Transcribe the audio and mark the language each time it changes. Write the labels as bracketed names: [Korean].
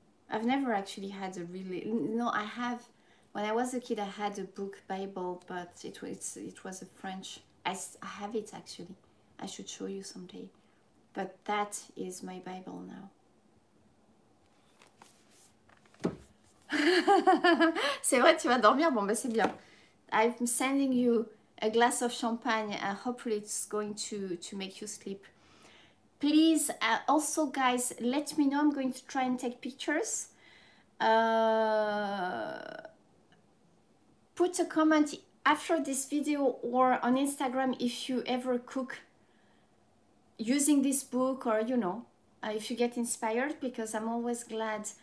[English] I've never actually had a really, no, I have, when I was a kid, I had a book Bible, but it was a French, I have it actually, I should show you someday, but that is my Bible now. [French] C'est vrai, tu vas dormir, bon, ben c'est bien. [English] I'm sending you a glass of champagne, hopefully it's going to make you sleep. Please, also guys, let me know. I'm going to try and take pictures. Put a comment after this video or on Instagram if you ever cook using this book, or, you know, if you get inspired, because I'm always glad.